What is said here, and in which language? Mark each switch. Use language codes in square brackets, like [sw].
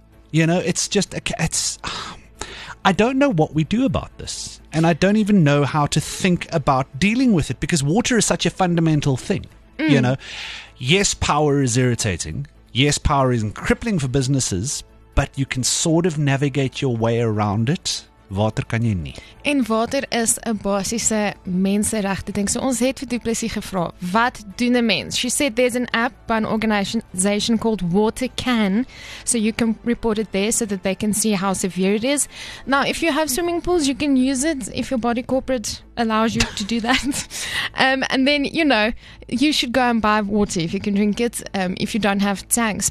[en] You know, it's just, it's, I don't know what we do about this. And I don't even know how to think about dealing with it because water is such a fundamental thing. Mm. You know, yes, power is irritating. Yes, power is crippling for businesses, but you can sort of navigate your way around it. [af] Water kan jy nie. En water is 'n basiese menseregte ding. So ons het vir du Plessis gevra, wat doen 'n mens? [en] She said there's an app by an organization called Water Can, so you can report it there so that they can see how severe it is. Now, if you have swimming pools, you can use it if your body corporate allows you to do that. And then, you know, you should go and buy water if you can drink it, if you don't have tanks.